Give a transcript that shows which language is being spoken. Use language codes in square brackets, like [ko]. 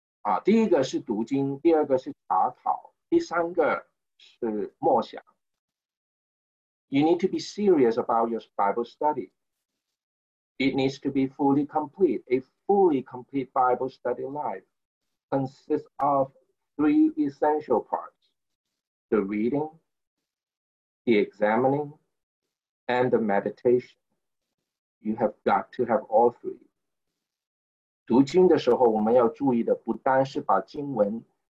[zh] 我跟大家分享一下读经的生活，它是需要全备的，一个全备的读经的生活，必须要有三个步骤，第一个是读经，第二个是查考。第三个是默想。 [en] You need to be serious about your Bible study. It needs to be fully complete. A fully complete Bible study life consists of three essential parts: the reading, the examining, and the meditation. You have got to have all three. [zh] 读经的时候，我们要注意的不单是把经文。